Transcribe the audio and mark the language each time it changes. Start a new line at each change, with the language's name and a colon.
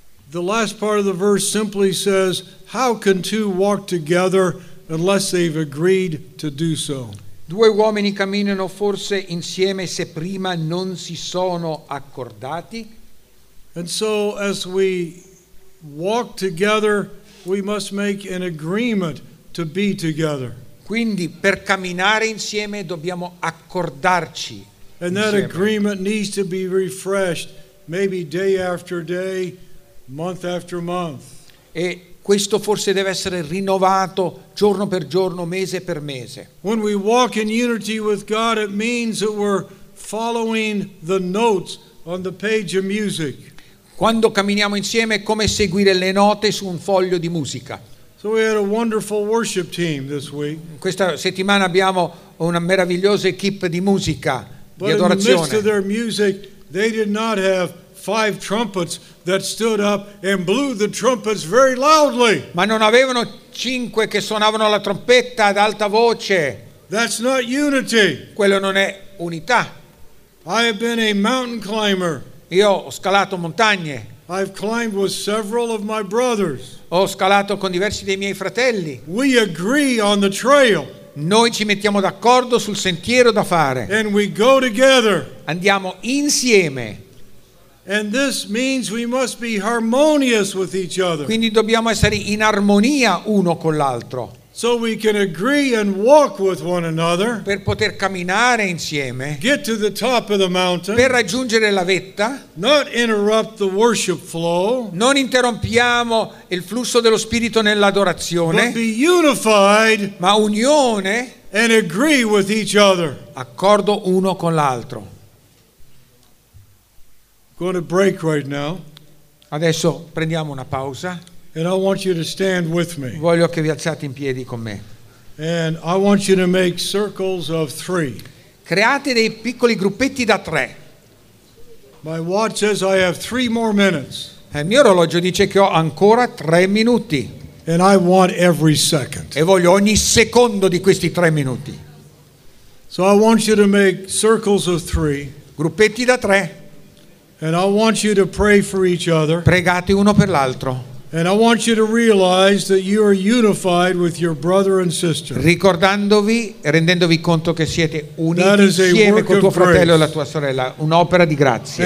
English: The last part of the verse simply says, how can two walk together unless they've agreed to do so?
Italian: Due uomini camminano forse insieme se prima non si sono accordati?
English: And so as we walk together, we must make an agreement to be together.
Italian: Quindi per camminare insieme dobbiamo accordarci.
English: And that
Italian: insieme.
English: Agreement needs to be refreshed, maybe day after day, month after month.
Italian: E questo forse deve essere rinnovato giorno per giorno, mese per mese.
English: When we walk in unity with God, it means that we're following the notes on the page of music.
Italian: Quando camminiamo insieme è come seguire le note su un foglio di musica.
English: So we had a wonderful worship team this week.
Italian: Questa settimana abbiamo una meravigliosa equipe di musica,
English: but
Italian: di adorazione.
English: In the midst of their music, they did not have five trumpets that stood up and blew the trumpets very loudly.
Italian: Ma non avevano cinque che suonavano la trompetta ad alta voce.
English: That's not unity.
Italian: Quello non è unità.
English: I have been a mountain climber.
Italian: Io ho scalato montagne.
English: I've climbed with several of my brothers.
Italian: Ho scalato con diversi dei miei fratelli.
English: We agree on the trail.
Italian: Noi ci mettiamo d'accordo sul sentiero da fare.
English: And we go together.
Italian: Andiamo insieme.
English: And this means we must be harmonious with each other.
Italian: Quindi dobbiamo essere in armonia uno con l'altro.
English: So we can agree and walk with one another.
Italian: Per poter camminare insieme.
English: Get to the top of the mountain.
Italian: Per raggiungere la vetta.
English: Not interrupt the worship flow.
Italian: Non interrompiamo il flusso dello spirito nell'adorazione.
English: But be unified.
Italian: Ma unione.
English: And agree with each other.
Italian: Accordo uno con l'altro.
English: Going to break right now.
Italian: Adesso prendiamo una pausa.
English: And I want you to stand with me.
Italian: Voglio che vi alzate in piedi con me.
English: And I want you to make circles of three.
Italian: Create dei piccoli gruppetti da tre.
English: My watch says I have three more minutes.
Italian: E il mio orologio dice che ho ancora tre minuti.
English: And I want every second.
Italian: E voglio ogni secondo di questi tre minuti.
English: So I want you to make circles of three.
Italian: Gruppetti da tre.
English: And I want you to pray for each other.
Italian: Pregate uno per l'altro.
English: And I want you to realize that you are unified with your brother and sister.
Italian: Ricordandovi, rendendovi conto che siete uniti insieme con tuo fratello e la tua sorella, un'opera di grazia.